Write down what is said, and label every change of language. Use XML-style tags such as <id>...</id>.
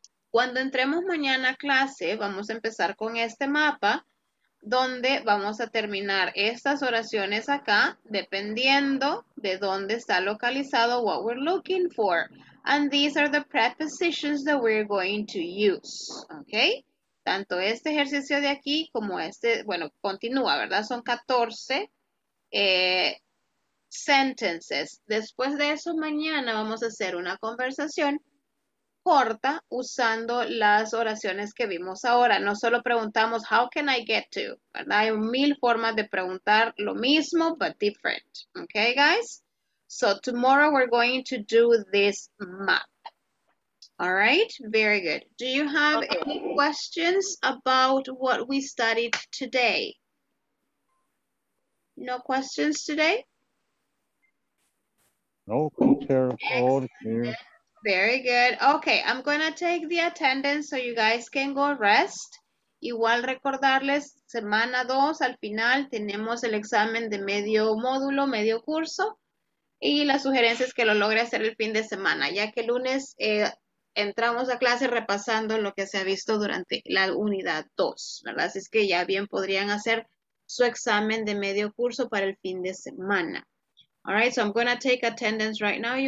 <es>Cuando entremos mañana a clase, vamos a empezar con este mapa, donde vamos a terminar estas oraciones acá, dependiendo de dónde está localizado</es> <en>what we're looking for. And these are the prepositions that we're going to use, okay?</en> <es>Tanto este ejercicio de aquí como este, bueno, continúa, ¿verdad? Son 14 sentences. Después de eso, mañana vamos a hacer una conversación corta usando las oraciones que vimos ahora. No solo preguntamos,</es> <en>how can I get to?</en> <es>¿Verdad? Hay mil formas de preguntar lo mismo,</es> <en>but different. Okay, guys? So tomorrow we're going to do this map. All right, very good. Do you have any questions about what we studied today? No questions today? No questions. Very good. Okay, I'm going to take the attendance so you guys can go rest.</en> <es>Igual recordarles, semana 2, al final, tenemos el examen de medio módulo, medio curso. Y la sugerencia es que lo logre hacer el fin de semana, ya que el lunes entramos a clase repasando lo que se ha visto durante la unidad 2, ¿verdad? Así es que ya bien podrían hacer su examen de medio curso para el fin de semana.</es> <en>All right, so I'm going to take attendance right now.</en>